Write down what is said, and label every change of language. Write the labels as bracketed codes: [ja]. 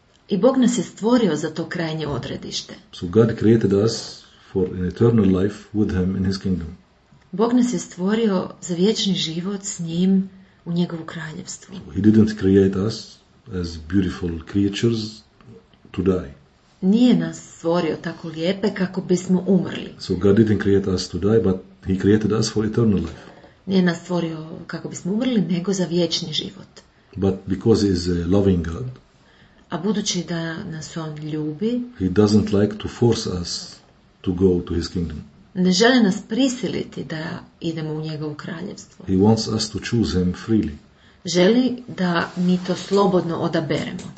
[hr] I Bog nas je stvorio za to krajnje odredište. [en] So God created us for an eternal life with him in his kingdom. [hr] Bog nas je stvorio za vječni život s njim u njegovu kraljevstvu. [en] So he didn't create us as beautiful creatures to die. [hr] Nije nas stvorio tako lijepe kako bismo umrli. [en] So God didn't create us to die, but he created us for eternal life. [hr] Nije nas stvorio kako bismo umrli, nego za vječni život. [en] But because he is a loving God, [hr] a budući da nas on ljubi, [en] he doesn't like to force us to go to his kingdom. [hr] Ne želi nas prisiliti da idemo u njegovo kraljevstvo. [en] He wants us to choose him freely. [hr] Želi da mi to slobodno odaberemo.